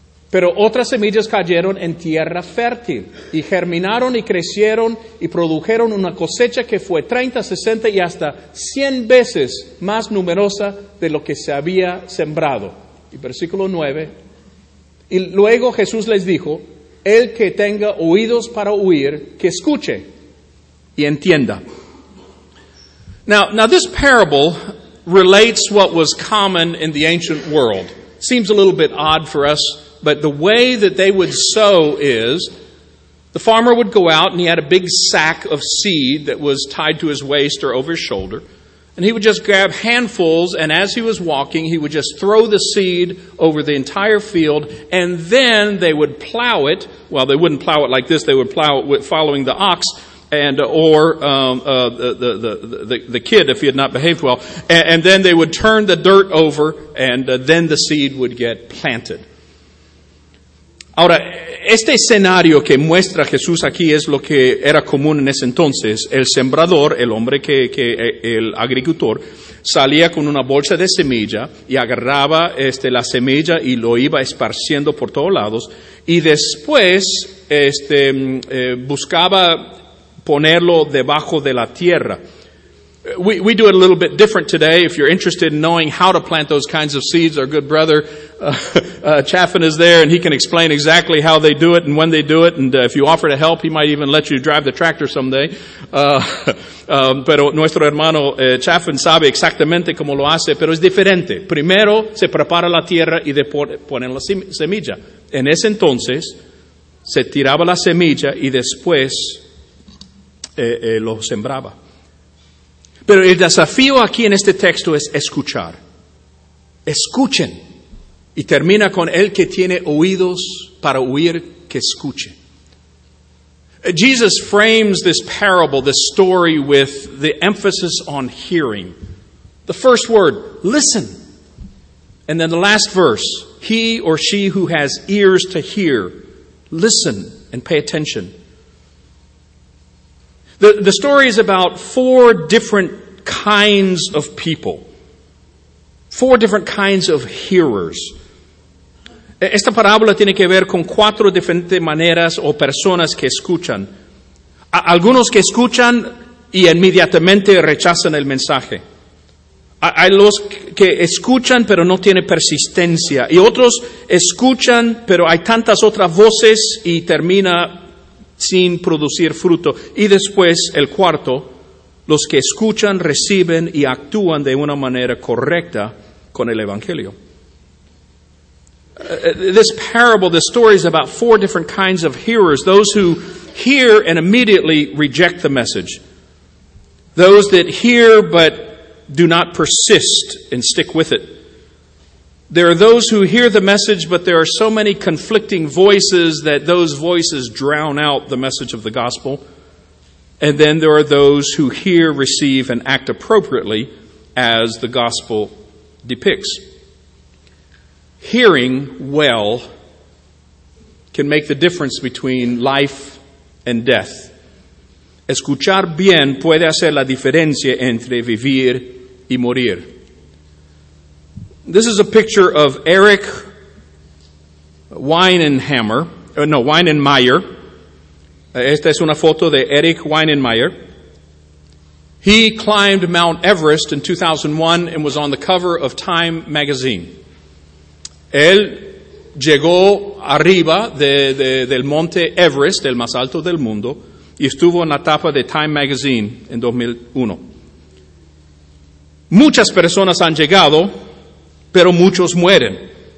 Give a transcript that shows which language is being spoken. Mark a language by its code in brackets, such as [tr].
[es] Pero otras semillas cayeron en tierra fértil, y germinaron y crecieron y produjeron una cosecha que fue 30, 60 y hasta 100 veces más numerosa de lo que se había sembrado. Y versículo 9, y luego Jesús les dijo, el que tenga oídos para oír, que escuche. Y entienda. [en] Now this parable relates what was common in the ancient world. Seems a little bit odd for us, but the way that they would sow is, the farmer would go out and he had a big sack of seed that was tied to his waist or over his shoulder. And he would just grab handfuls, and as he was walking, he would just throw the seed over the entire field, and then they would plow it. Well, they wouldn't plow it like this, they would plow it following the ox. And the kid, if he had not behaved well, and then they would turn the dirt over, and then the seed would get planted. [es] Ahora, este escenario que muestra Jesús aquí es lo que era común en ese entonces. El sembrador, el hombre que el agricultor, salía con una bolsa de semilla y agarraba la semilla y lo iba esparciendo por todos lados, y después buscaba ponerlo debajo de la tierra. [en] We do it a little bit different today. If you're interested in knowing how to plant those kinds of seeds, our good brother Chaffin is there, and he can explain exactly how they do it and when they do it. And if you offer to help, he might even let you drive the tractor someday. [es] Pero nuestro hermano Chaffin sabe exactamente cómo lo hace, pero es diferente. Primero se prepara la tierra y después pone la semilla. En ese entonces, se tiraba la semilla y después lo sembraba. Pero el desafío aquí en este texto es escuchar. Escuchen. Y termina con el que tiene oídos para oír, que escuche. [en] Jesus frames this parable, this story, with the emphasis on hearing. The first word, listen. And then the last verse, he or she who has ears to hear, listen and pay attention. The story is about four different kinds of people. Four different kinds of hearers. [es] Esta parábola tiene que ver con cuatro diferentes maneras o personas que escuchan. Algunos que escuchan y inmediatamente rechazan el mensaje. Hay los que escuchan pero no tienen persistencia. Y otros escuchan pero hay tantas otras voces y termina sin producir fruto. Y después, el cuarto, los que escuchan, reciben y actúan de una manera correcta con el Evangelio. [en] This parable, this story is about four different kinds of hearers. Those who hear and immediately reject the message. Those that hear but do not persist and stick with it. There are those who hear the message, but there are so many conflicting voices that those voices drown out the message of the gospel. And then there are those who hear, receive, and act appropriately as the gospel depicts. Hearing well can make the difference between life and death. [es] Escuchar bien puede hacer la diferencia entre vivir y morir. [en] This is a picture of Eric Weinenhammer, no, Weinenmeyer. [es] Esta es una foto de Eric Weinenmeyer. [en] He climbed Mount Everest in 2001 and was on the cover of Time magazine. [es] Él llegó arriba del monte Everest, el más alto del mundo, y estuvo en la tapa de Time magazine en 2001. Muchas personas han llegado, pero muchos mueren.